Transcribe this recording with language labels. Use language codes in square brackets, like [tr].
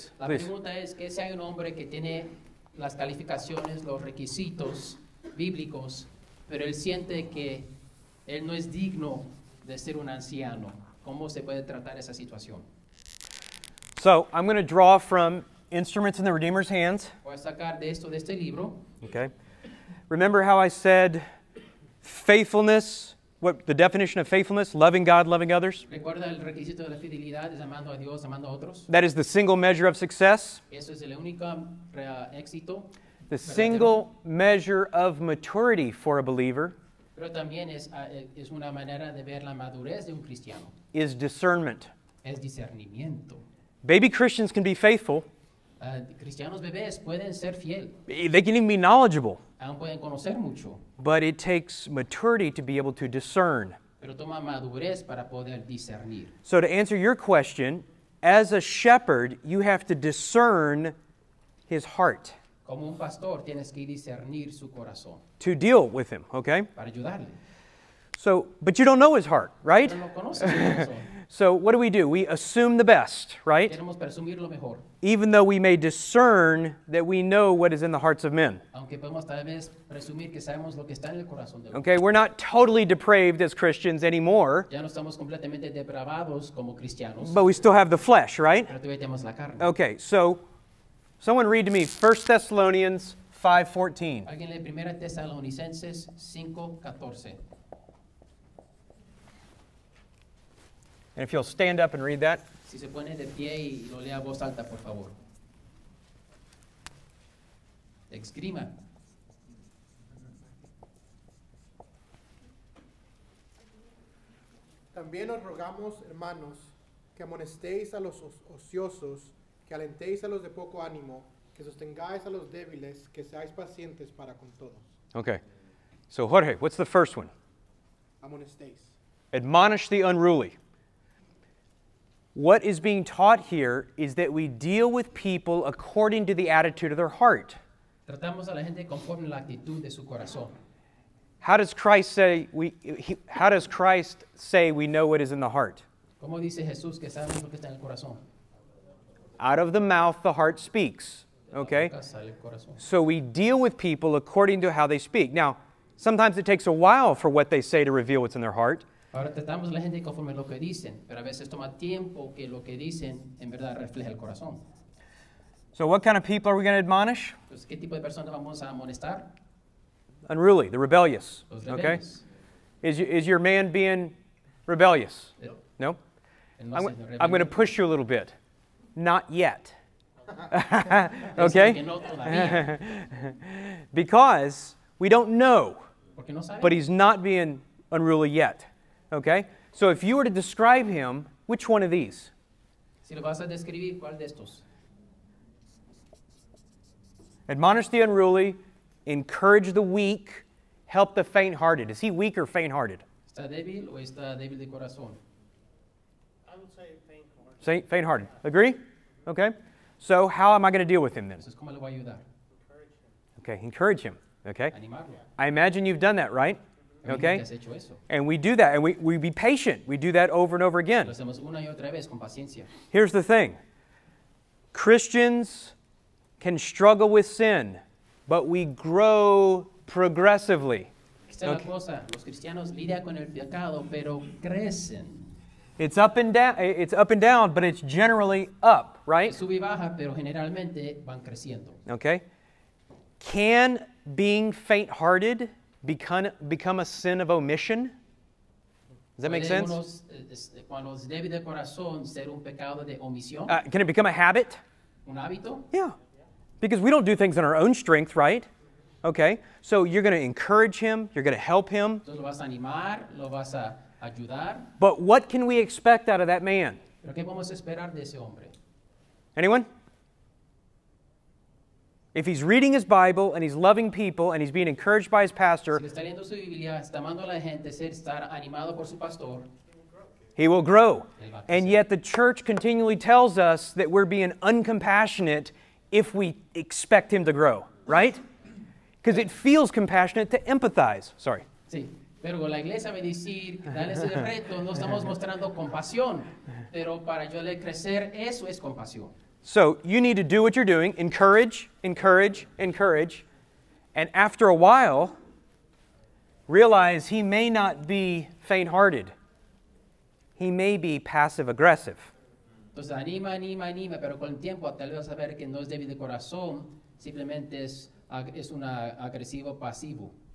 [es] La pregunta es que si hay un hombre que tiene las calificaciones, los requisitos bíblicos, pero él siente que él no es digno de ser un anciano, ¿cómo se puede tratar esa situación? [en] So, I'm going to draw from Instruments in the Redeemer's Hands. [es] Voy a sacar de esto, de este libro. [en] Okay. Remember how I said faithfulness, what the definition of faithfulness, loving God, loving others? [es] ¿Recuerda el requisito de la fidelidad, es amando a Dios, amando a otros? [en] That is the single measure of success. [es] Eso es el único éxito. [en] The single measure of maturity for a believer. [es] Pero también es una manera de ver la madurez de un cristiano. [en] Is discernment. [es] Es discernimiento. [en] Baby Christians can be faithful. [es] Cristianos bebés pueden ser fiel. [en] They can even be knowledgeable. [es] Aún pueden conocer mucho. [en] But it takes maturity to be able to discern. [es] Pero toma madurez para poder discernir. [en] So to answer your question, as a shepherd, you have to discern his heart. [es] Como un pastor, tienes que discernir su corazón. [en] To deal with him, okay? [es] Para ayudarle. [en] So, but you don't know his heart, right? [es] Pero no conoces su corazón. [en] So what do? We assume the best, right? [es] Queremos presumir lo mejor. [en] Even though we may discern that we know what is in the hearts of men. [es] Aunque podemos tal vez presumir que sabemos lo que está en el corazón de los. [en] Okay, we're not totally depraved as Christians anymore. [es] Ya no estamos completamente depravados como cristianos. [en] But we still have the flesh, right? [es] Pero todavía tenemos la carne. [en] Okay, so someone read to me 1 Thessalonians 5:14. [es] Alguien lee 1 Tesalonicenses 5:14. [en] And if you'll stand up and read that. [es] Si se pone de pie y lo lea voz alta, por favor. Escriba. También os rogamos, hermanos, que amonestéis a los ociosos, que alentéis a los de poco ánimo, que sostengáis a los débiles, que seáis pacientes para con todos. [en] Okay. So, Jorge, what's the first one? [es] Amonestéis. [en] Admonish the unruly. What is being taught here is that we deal with people according to the attitude of their heart. [es] Tratamos a la gente conforme la actitud de su corazón. [en] How does Christ say we know what is in the heart? [es] ¿Cómo dice Jesús que sabe lo que está en el corazón? [en] Out of the mouth the heart speaks. Okay? So we deal with people according to how they speak. Now, sometimes it takes a while for what they say to reveal what's in their heart. [es] Ahora tratamos a la gente conforme lo que dicen, pero a veces toma tiempo que lo que dicen en verdad refleje el corazón. [en] So what kind of people are we going to admonish? [es] Pues, ¿qué tipo de personas vamos a amonestar? [en] Unruly, the rebellious. [es] Los rebeldes. Okay. [en] Is your man being rebellious? No. No? I'm going to push you a little bit. Not yet. Okay? Because we don't know. [es] Porque no sabe. [en] But he's not being unruly yet. Okay, so if you were to describe him, which one of these? [es] Si lo vas a describir, ¿cuál de estos? [en] Admonish the unruly, encourage the weak, help the faint-hearted. Is he weak or faint-hearted? [es] Está débil o está débil de corazón. [en] I would say faint-hearted. Faint-hearted. Agree? Okay. So how am I going to deal with him then? [es] Entonces, ¿cómo le voy a ayudar? [en] Okay, encourage him. Okay. [es] Animarlo. [en] I imagine you've done that, right? Okay, and we do that, and we be patient. We do that over and over again. [es] Lo hacemos una y otra vez, con paciencia. [en] Here's the thing. Christians can struggle with sin, but we grow progressively. Okay. [es] Los cristianos lidian con el pecado, pero crecen. [en] It's up and down. It's up and down, but it's generally up, right? [es] Sube y baja, pero generalmente van creciendo. [en] Okay. Can being faint-hearted become a sin of omission? Does that make sense? [es] Cuando es débil de corazón, ser un pecado de omisión? [en] Can it become a habit? [es] Un hábito? [en] Yeah. Because we don't do things in our own strength, right? Okay. So you're going to encourage him. You're going to help him. Entonces lo vas a animar, lo vas a ayudar. But what can we expect out of that man? ¿Pero qué podemos esperar de ese hombre? Anyone? If he's reading his Bible and he's loving people and he's being encouraged by his pastor, he will grow. And yet the church continually tells us that we're being uncompassionate if we expect him to grow, right? Because it feels compassionate to empathize. Sorry. [es] Sí, pero la iglesia me dice, dale ese reto, no estamos mostrando compasión, pero para yo le crecer, eso es compasión. [en] So you need to do what you're doing, encourage, encourage, encourage, and after a while, realize he may not be faint-hearted. He may be passive-aggressive. [es] Entonces anima, anima, anima, pero con el tiempo tal vez saber que no es débil de corazón, simplemente es un agresivo pasivo.